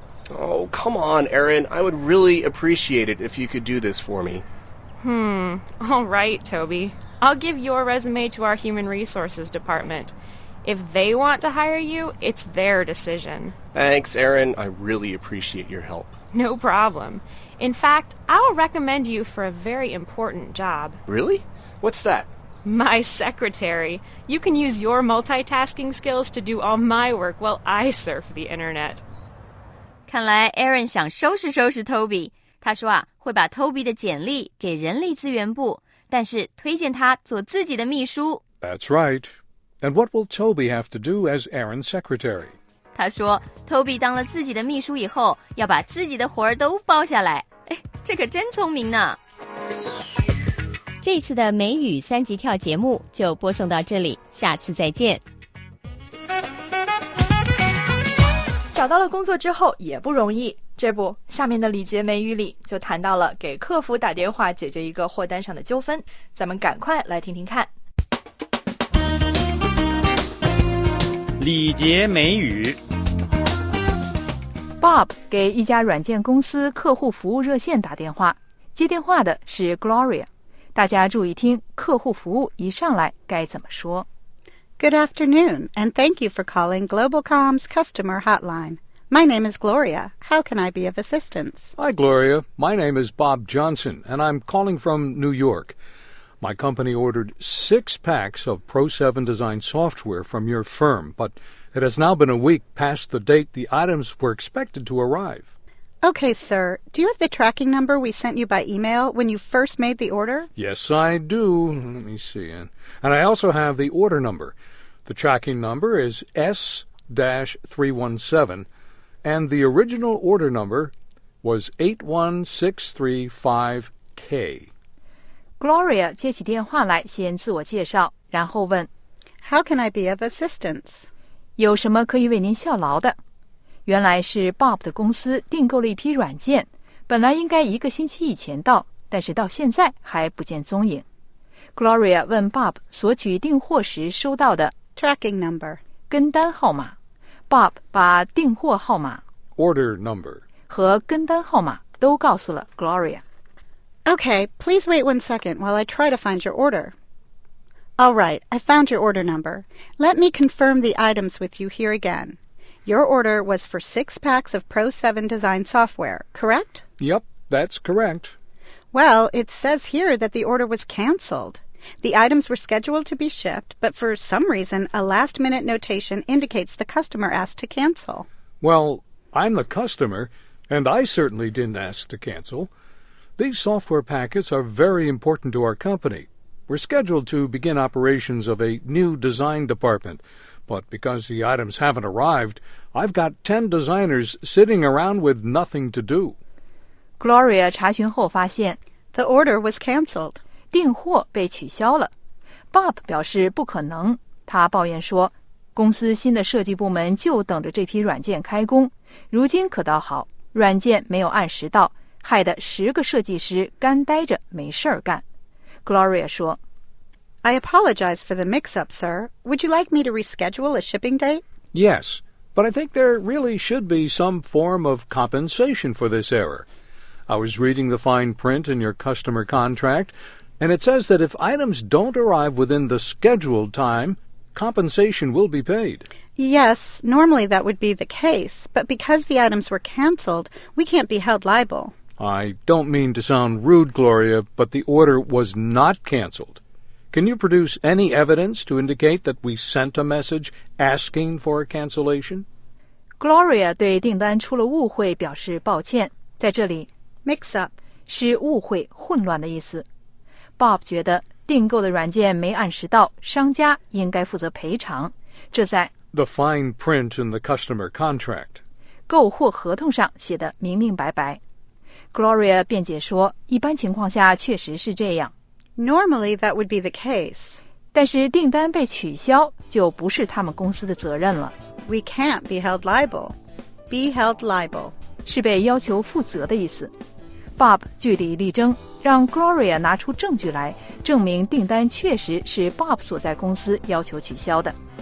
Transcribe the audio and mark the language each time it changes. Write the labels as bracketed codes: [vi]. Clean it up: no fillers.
[en] Oh, come on, Aaron. I would really appreciate it if you could do this for me. All right, Toby. I'll give your resume to our human resources department. If they want to hire you, it's their decision. Thanks, Aaron. I really appreciate your help. No problem. In fact, I'll recommend you for a very important job. Really? What's that? My secretary. You can use your multitasking skills to do all my work while I surf the internet. [zh] 看来 Aaron 想收拾收拾 Toby. 他说啊，会把 Toby 的简历给人力资源部，但是推荐他做自己的秘书。 [en] That's right. And what will Toby have to do as Aaron's secretary? [zh] 他说 ,Toby 当了自己的秘书以后，要把自己的活儿都包下来。哎，这可真聪明呢。这次的美语三级跳节目就播送到这里，下次再见。找到了工作之后也不容易，这不，下面的礼节美语里就谈到了给客服打电话解决一个货单上的纠纷，咱们赶快来听听看。礼节美语。 Bob 给一家软件公司客户服务热线打电话，接电话的是 Gloria。大家注意听，客户服务一上来该怎么说。 [en] Good afternoon, and thank you for calling GlobalCom's customer hotline. My name is Gloria. How can I be of assistance? Hi, Gloria. My name is Bob Johnson, and I'm calling from New York. My company ordered 6 packs of Pro 7 Design software from your firm, but it has now been a week past the date the items were expected to arrive. Okay, sir. Do you have the tracking number we sent you by email when you first made the order? Yes, I do. Let me see. And I also have the order number. The tracking number is S-317, and the original order number was 81635K. [zh] Gloria 接起电话来先自我介绍，然后问 [en] How can I be of assistance? [zh] 有什么可以为您效劳的？原来是 Bob 的公司订购了一批软件，本来应该一个星期以前到，但是到现在还不见踪影。 Gloria 问 Bob 索取订货时收到的 [en] tracking number [zh] 跟单号码。Bob 把订货号码 [en] order number [zh] 和跟单号码都告诉了 Gloria。 [en] Okay, please wait 1 second while I try to find your order. All right, I found your order number. Let me confirm the items with you here again. Your order was for 6 packs of Pro 7 Design software, correct? Yep, that's correct. Well, it says here that the order was canceled. The items were scheduled to be shipped, but for some reason, a last-minute notation indicates the customer asked to cancel. Well, I'm the customer, and I certainly didn't ask to cancel. These software packets are very important to our company. We're scheduled to begin operations of a new design department,But because the items haven't arrived, I've got 10 designers sitting around with nothing to do. [zh] Gloria 查询后发现 [en] The order was cancelled. [zh] 订货被取消了。Bob 表示不可能。他抱怨说，公司新的设计部门就等着这批软件开工。如今可倒好，软件没有按时到，害得10个设计师干呆着没事儿干。 Gloria 说 [en] I apologize for the mix-up, sir. Would you like me to reschedule a shipping date? Yes, but I think there really should be some form of compensation for this error. I was reading the fine print in your customer contract, and it says that if items don't arrive within the scheduled time, compensation will be paid. Yes, normally that would be the case, but because the items were canceled, we can't be held liable. I don't mean to sound rude, Gloria, but the order was not canceled. Can you produce any evidence to indicate that we sent a message asking for a cancellation? [zh] Gloria 对订单出了误会表示抱歉。在这里 [en] ,mix up [zh] 是误会混乱的意思。 Bob 觉得订购的软件没按时到，商家应该负责赔偿。这在 [en] The fine print in the customer contract [zh] 购货合同上写得明明白白。 Gloria 辩解说，一般情况下确实是这样。 [en] Normally that would be the case. [zh] 但是订单被取消就不是他们公司的责任了。 [en] We can't be held liable. Be held liable. [zh] 是被要求负责的意思。 Bob 据理力争，让 Gloria 拿出证据来，证明订单确实是 Bob 所在公司要求取消的。